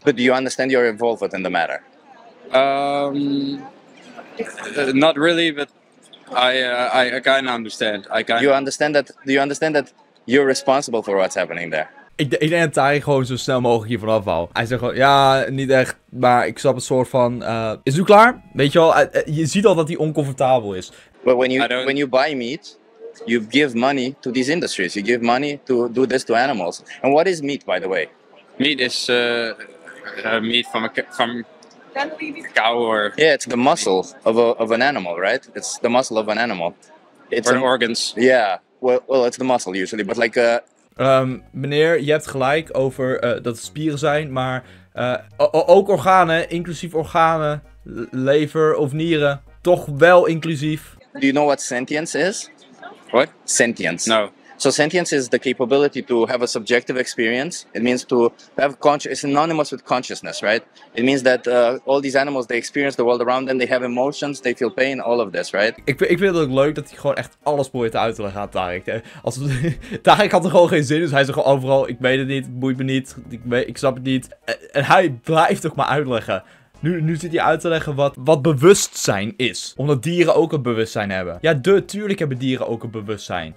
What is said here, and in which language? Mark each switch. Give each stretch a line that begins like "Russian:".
English: But do you understand you're involved in the matter? Not really, but I kind of understand. Do you understand that you're responsible for what's happening there?
Dutch: Ik denk dat hij gewoon zo snel mogelijk hiervan afval. Hij zegt gewoon, ja, niet echt, maar ik snap een soort van, is u klaar? Weet je wel, je ziet al dat hij oncomfortabel is.
English: But when you buy meat, you give money to these industries. You give money to do this to animals. And what is meat, by the way? Meat is meat from a cow or... Yeah, it's the muscle of an animal, right? It's the muscle of an animal. It's or an organs. Yeah, well, it's the muscle usually, but like...
Dutch: Meneer, je hebt gelijk over dat het spieren zijn, maar ook organen, inclusief organen, lever of nieren, toch wel inclusief.
English: Do you know what sentience is? What? Sentience. No. So sentience is the capability to have a subjective experience. It means to have it's synonymous with consciousness, right? It means that all these animals, they experience the world around them, they have emotions, they feel pain, all of this, right?
Dutch: Ik vind het ook leuk dat hij gewoon echt alles probeert uit te leggen aan Tariq. Tariq had er gewoon geen zin in, dus hij zegt gewoon overal, ik weet het niet, het boeit me niet, ik snap het niet. En hij blijft ook maar uitleggen. Nu zit hij uit te leggen wat bewustzijn is. Omdat dieren ook een bewustzijn hebben. Ja, tuurlijk hebben dieren ook een bewustzijn.